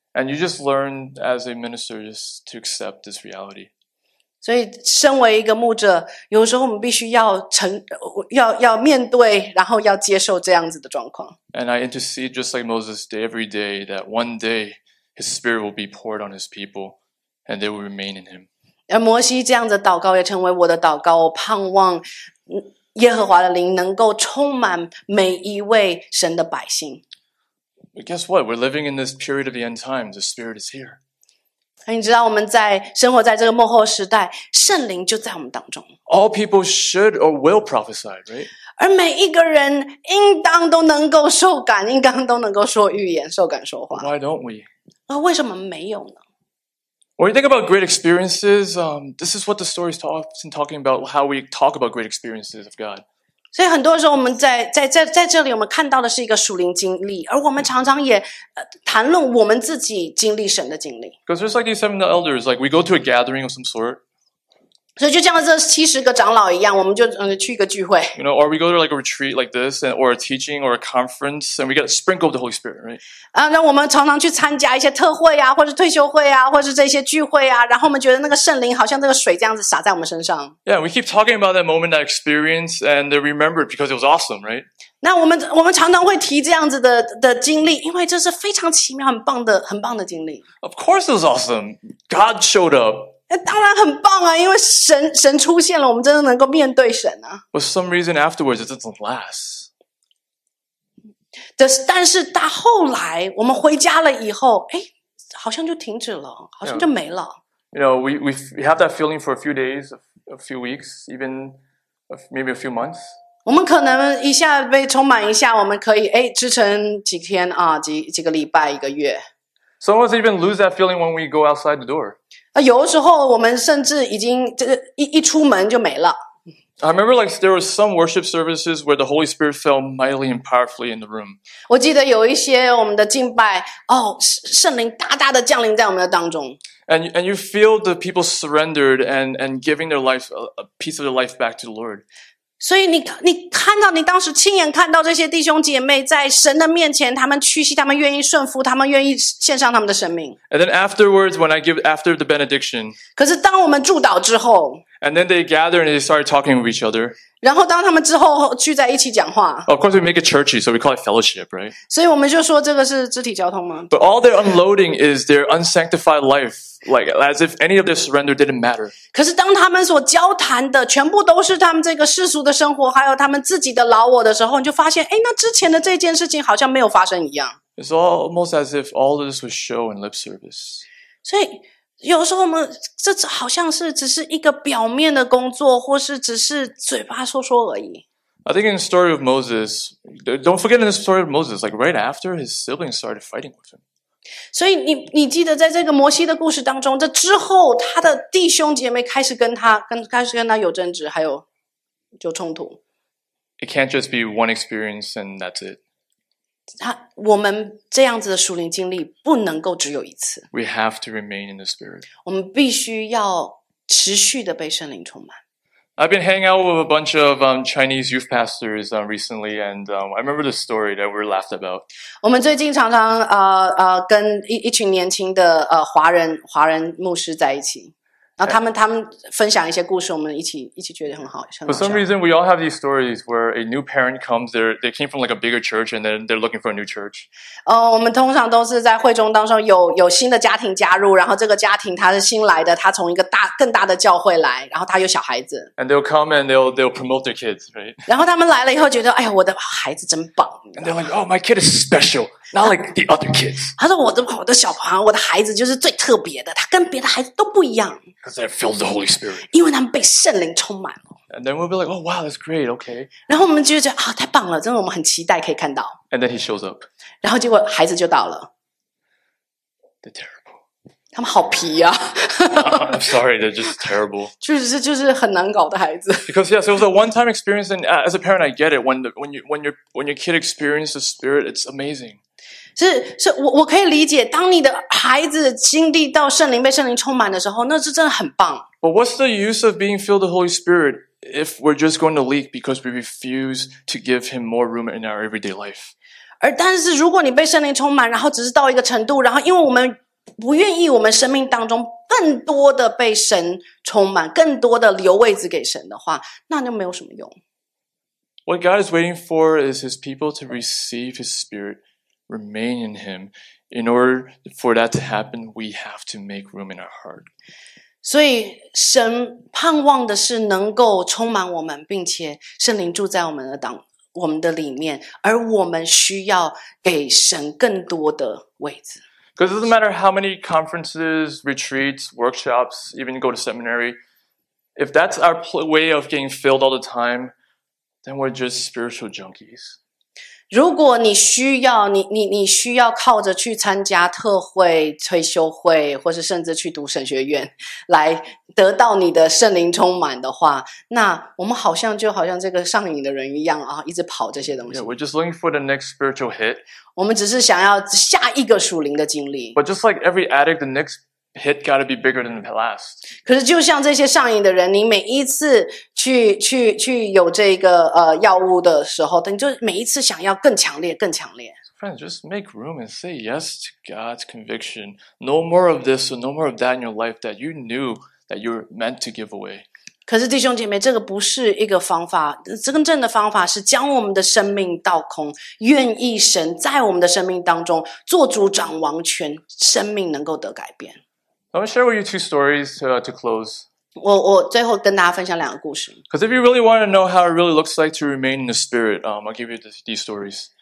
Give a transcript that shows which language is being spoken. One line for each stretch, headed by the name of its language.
English: And you just learn as a minister just to accept this reality.
Chinese: 所以，身为一个牧者，有时候我们必须要面对，然后要接受这样子的状况。
English: And I intercede just like Moses did every day that one day his spirit will be poured on his people, and they will remain in him.
Chinese: 而摩西这样子祷告也成为我的祷告，我盼望。耶和华的灵能够充满每一位神的百姓。
English: Guess what? We're living in this period of the end times. The Spirit is here.
Chinese: 你知道我们在生活在这个末后时代，圣灵就在我们当中。
English: All people should or will prophesy, right?
Chinese: 而每一个人应当都能够受感，应当都能够说预言，受感说话。
English: Why don't we?
Chinese: 而为什么没有呢？
English: When you think about great experiences, this is what the story is often talking about, how we talk about great experiences of God.
Chinese: 所以很多时候我们在这里我们看到的是一个属灵经历，而我们常常也谈论我们自己经历神的经历。
English: Because just like these seven elders, like we go to a gathering of some sort.
Chinese: 所以就像这七十个长老一样，我们就去一个聚会。
English: You know, or we go to like a retreat like this, or a teaching, or a conference, and we get sprinkled with the Holy Spirit, right?
Chinese: 那我们常常去参加一些特会啊，或者退休会啊，或者这些聚会啊，然后我们觉得那个圣灵好像那个水这样子洒在我们身上。
English: Yeah, we keep talking about that moment, that experience, and they remember it because it was awesome, right?
Chinese: 那我们常常会提这样子的经历，因为这是非常奇妙、很棒的经历。
English: Of course, it was awesome. God showed up.
Chinese: 当然很棒啊，因为神出现了，我们真的能够面对神啊。
English: For some reason afterwards, it doesn't last.
Chinese: 但是到后来，我们回家了以后，好像就停止了，好像就没了。
English: You know, we have that feeling for a few days, a few weeks, even maybe a few months.
Chinese: 我们可能一下被充满一下，我们可以支撑几天啊，几个礼拜，一个月。
English: Some of us even lose that feeling when we go outside the door.
Chinese: 有时候我们甚至已经一出门就没了。
English: I remember like there were some worship services where the Holy Spirit fell mightily and powerfully in the room.
Chinese: 我记得有一些我们的敬拜，圣灵大大的降临在我们的当中。
English: And you feel the people surrendered and giving their life a piece of their life back to the Lord.
Chinese: 所以你看到你当时亲眼看到这些弟兄姐妹在神的面前，他们屈膝，他们愿意顺服，他们愿意献上他们的生命。
English: And then afterwards, when I give after the benediction,
Chinese: 可是当我们祝祷之后
English: ，And then they gather and they start talking with each other.
Chinese: 然后当他们之后聚在一起讲话。
English: Of course, we make it churchy, so we call it fellowship, right?
Chinese: 所以我们就说这个是肢体交通吗
English: ？But all their unloading is their unsanctified life. Like as if any of their surrender didn't matter.
Chinese: 可是当他们所交谈的全部都是他们这个世俗的生活，还有他们自己的老我的时候，你就发现，那之前的这件事情好像没有发生一样。
English: It's almost as if all of this was show and lip service.
Chinese: 所以有时候我们这好像是只是一个表面的工作，或是只是嘴巴说说而已。
English: I think in the story of Moses, don't forget in the story of Moses, like right after his siblings started fighting with him.
Chinese: 所以你记得在这个摩西的故事当中，这之后他的弟兄姐妹开始跟他有争执，还有就冲突。
English: It can't just be one experience and that's it.
Chinese: 我们这样子的属灵经历不能够只有一次。
English: We have to remain in the spirit.
Chinese: 我们必须要持续的被圣灵充满。
English: I've been hanging out with a bunch of Chinese youth pastors recently, and I remember the story that we laughed about.
Chinese: 我们最近常常跟一群年轻的华人牧师在一起，然后他们分享一些故事，我们一起觉得很好笑。
English: For some reason, we all have these stories where a new parent comes. They came from like a bigger church, and then they're looking for a new church.
Chinese: 我们通常都是在会中当中有新的家庭加入，然后这个家庭他是新来的，他从一个更大的教会来，然后他有小孩子。
English: And they'll come and they'll promote their kids, right?
Chinese: 然后他们来了以后觉得，哎呀，我的孩子真棒。
English: And they're like, oh, my kid is special, not like the other kids.
Chinese: 他说我的小朋友，我的孩子就是最特别的，他跟别的孩子都不一样。
English: Because they're filled with the Holy Spirit.
Chinese: 因为他们被圣灵充满了。
English: And then we'll be like, oh, wow, that's great, okay.
Chinese: 然后我们就觉得，太棒了，真的我们很期待可以看到。
English: And then he shows up.
Chinese: 然后结果孩子就到了。
English: They're terrible.
Chinese: 他们好皮啊。
English: I'm sorry, they're just terrible.
Chinese: 就是很难搞的孩子。
English: Because, yes, it was a one-time experience, and as a parent, I get it. When your kid experiences the Spirit, it's amazing.
Chinese: 是我可以理解，当你的孩子经历到圣灵被圣灵充满的时候，那是真的很棒。
English: But what's the use of being filled with the Holy Spirit if we're just going to leak because we refuse to give Him more room in our everyday life?
Chinese: 而但是如果你被圣灵充满，然后只是到一个程度，然后因为我们不愿意我们生命当中更多的被神充满，更多的留位置给神的话，那就没有什么用。
English: What God is waiting for is His people to receive His Spirit. Remain in Him. In order for that to happen, we have to make room in our heart.
Chinese: 所以神盼望的是能够充满我们，并且圣灵住在我们的里面，而我们需要给神更多的位置。
English: Because it doesn't matter how many conferences, retreats, workshops, even go to seminary. If that's our way of getting filled all the time, then we're just spiritual junkies.
Chinese: 如果你需要你需要靠着去参加特会、退休会，或是甚至去读神学院，来得到你的圣灵充满的话，那我们好像就好像这个上瘾的人一样啊，一直跑这些东西。
English: Yeah, we're just looking for the next spiritual hit.
Chinese: 我们只是想要下一个属灵的经历。
English: But just like every addict, the next hit got to be bigger than the last.
Chinese: 可是就像这些上瘾的人，你每一次去有这个药物的时候，你就每一次想要更强烈，更强烈。
English: Friends, just make room and say yes to God's conviction. No more of this or no more of that in your life that you knew that you're meant to give away.
Chinese: 可是弟兄姐妹，这个不是一个方法。真正的方法是将我们的生命倒空，愿意神在我们的生命当中做主掌王权，生命能够得改变。
English: I want to share with you two stories to close.
Chinese: 我最后跟大家分享两个故事。
English: Because if you really want to know how it really looks like to remain in the spirit, I'll give you these stories.